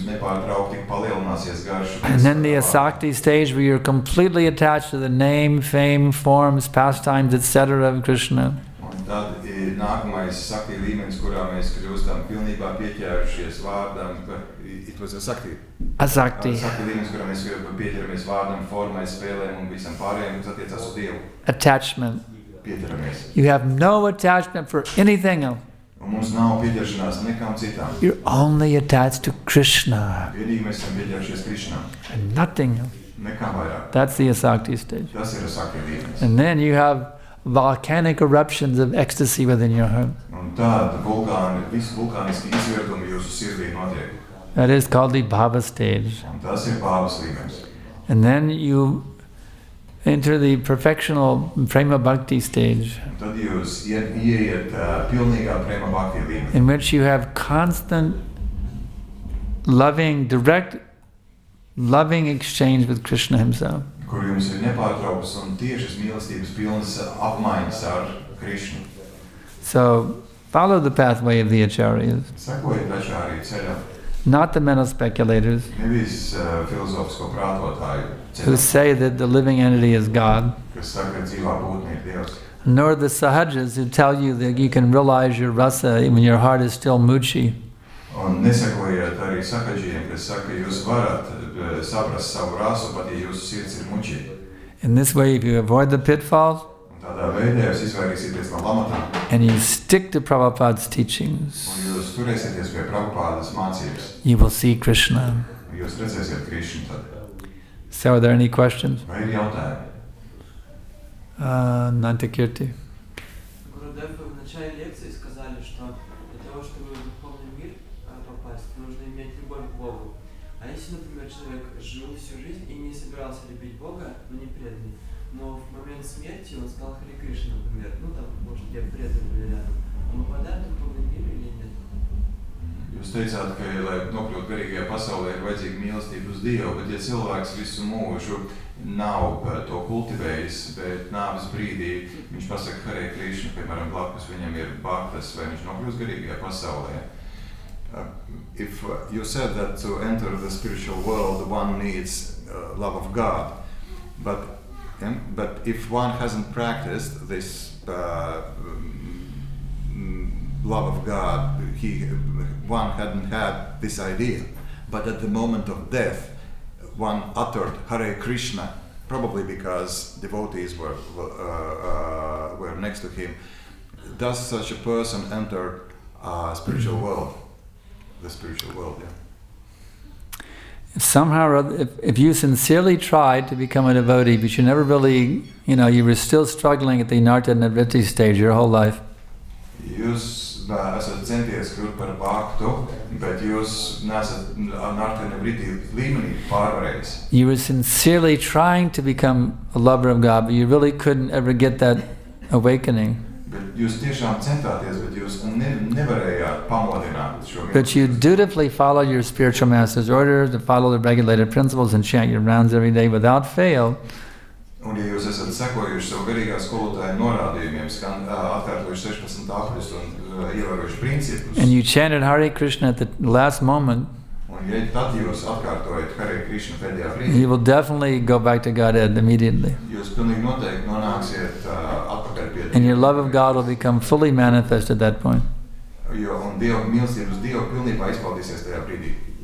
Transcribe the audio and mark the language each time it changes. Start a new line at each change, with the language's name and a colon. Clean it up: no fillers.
English: And then the asakti stage where you're completely attached to the name, fame, forms, pastimes, etc. of Krishna. And
Latvian: tad ir nākamais sakti līmenis, kurā mēs kļūstam pilnībā pieķērušies vārdam,
English: it was a sakti. A sakti.
Latvian: Sakti līmenis, kurā mēs pieķeramies vārdam, formai, spēlēm un visam pārējiem, kas attiecas uz Dievu.
English: Attachment.
Latvian: Pieķeramies.
English: You have no attachment for anything else.
Latvian: Un mums nav pieķeršanās nekam citām.
English: You're only attached to Krishna.
Latvian: Vienīgi mēs esam pieķeršies Krishna.
English: And nothing else.
Latvian: Nekam vairāk.
English: That's the asakti stage.
Latvian: Tas ir asakti līmenis.
English: And then you have volcanic eruptions of ecstasy within your heart.
Latvian: Un tad vulkāni, visi vulkāniski izvirdumi jūsu sirdī notiek.
English: That is called the bhava stage.
Latvian: Un tas ir bhavas līmenis.
English: And then you enter the perfectional prema bhakti stage.
Latvian: Tad jūs ieiet pilnīgā prema bhakti līmenī.
English: In which you have constant loving, direct loving exchange with Krishna himself.
Latvian: Kur jums ir nepārtrauktas un tiešas mīlestības pilnas apmaiņas ar Krishna.
English: So, follow the pathway of the acharyas.
Latvian: Sekojiet acharya ceļam.
English: Not the mental speculators.
Latvian: Nevis filozofisko prātotāju.
English: Who say that the living entity is God.
Latvian: Kas saka, dzīvā būtne ir Dievs.
English: Nor the sahajas who tell you that you can realize your rasa when your heart is still mūči.
Latvian: Un nesakojiet arī sahajiem, kas saka, jūs varat saprast savu rasu, pat ja jūsu sirds ir mūči.
English: In this way, if you avoid the pitfalls,
Latvian: tādā veidā jūs izvairīsieties no lamatām.
English: And you stick to Prabhupāda's teachings.
Latvian: Un jūs turēsieties pie Prabhupādas mācības.
English: You will see Krishna.
Latvian: Jūs redzēsiet Krishna tad.
English: So, are there any questions?
Latvian: Vai ir jautājumi? Nantikirti.
Russian: Gurudev, в начале лекции сказали, что для того, чтобы в духовный мир попасть, нужно иметь любовь к Богу. А если, например, человек жил всю жизнь и не собирался любить Бога, но не преданный, но в момент смерти он стал Хари Кришна, например, ну там, может, где преданный или рядом, он попадает в духовный мир или нет?
Latvian: Jūs teicāt, ka, lai nokļūtu garīgajā pasaulē, ir vajadzīga mīlestība uz Dievu, bet ja cilvēks visu mūžu nav to kultivējis, bet nāves brīdī viņš pasaka Hare Krishna, piemēram, blakus viņam ir bhaktas, vai viņš nokļūst garīgajā pasaulē.
English: If you said that to enter the spiritual world, one needs love of God, but if one hasn't practiced this love of God, one hadn't had this idea, but at the moment of death, one uttered Hare Krishna, probably because devotees were next to him. Does such a person enter spiritual world? The spiritual world, yeah. If somehow or other, if you sincerely tried to become a devotee, but you never really, you know, you were still struggling at the Narta Nirvritti stage your whole life.
Latvian: Jūs esat centies kļūt par bhaktu, bet jūs nesat Narta Nirvritti līmenī pārvarējis.
English: You were sincerely trying to become a lover of God, but you really couldn't ever get that awakening.
Latvian: Bet jūs tiešām centāties, bet jūs nevarējāt pamodināt šo mīlestību.
English: But you dutifully follow your spiritual master's orders, to follow the regulated principles and chant your rounds every day without fail.
Latvian: Un ja jūs esat sekojuši savu garīgā skolotāja norādījumiem, atkārtojuši 16 apļus un ievērojuši principus.
English: And you chanted Hare Krishna at the last moment.
Latvian: Un ja tad jūs atkārtojat Hare Krishna pēdējā brīdī.
English: You will definitely go back to Godhead immediately.
Latvian: Jūs pilnīgi noteikti nonāksiet atpakaļ pie Dieva.
English: And your love of God will become fully manifest at that point.
Latvian: Jo, un Dieva mīlestības Dieva pilnībā izpaldīsies tajā brīdī.